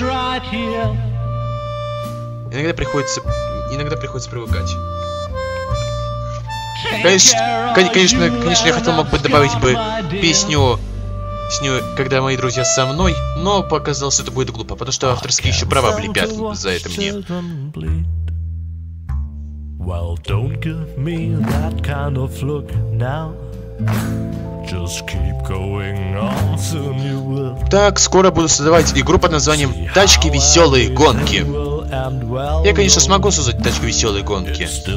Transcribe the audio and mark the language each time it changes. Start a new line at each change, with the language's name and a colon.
Russian: Иногда приходится привыкать. Конечно, я хотел мог бы добавить бы песню, когда мои друзья со мной, но показалось, что это будет глупо, потому что авторские еще права влепят за это мне.
English: Well, don't give me that kind of look now. Just keep going on, soon you will.
Russian: Так, скоро буду создавать игру под названием «Тачки веселые гонки». Я, конечно, смогу создать тачку веселой гонки.